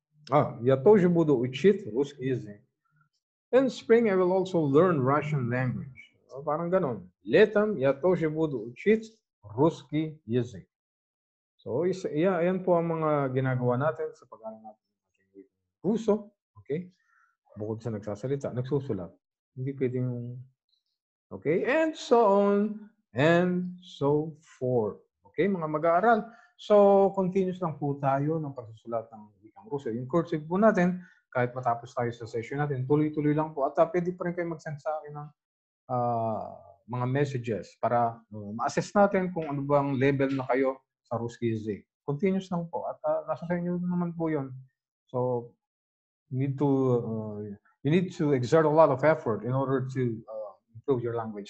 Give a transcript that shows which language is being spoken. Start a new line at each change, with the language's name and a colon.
Russian: Ah, я тоже буду учить русский язык.
English: In spring, I will also learn Russian language.
Filipino: Parang ganon.
Russian: Летом я тоже буду учить русский язык.
English: So, yeah,
Filipino: ayan po ang mga ginagawa natin sa pag-aaral natin ng Ruso. Okay? Bukod sa nagsasalita, nagsusulat. Hindi pwedeng... Okay?
English: And so on and so forth. Okay?
Filipino: Mga mag-aaral. So, continuous lang po tayo ng pagsusulat ng Wikang Ruso. Yung cursive po natin, kahit matapos tayo sa session natin, tuloy-tuloy lang po. At pwede pa rin kayo mag-send sa akin ng mga messages para ma-assess natin kung ano bang level na kayo sa Ruski Z. Continuous lang po. At nasa sa inyo naman po yun.
English: So, you need to exert a lot of effort in order to improve your language.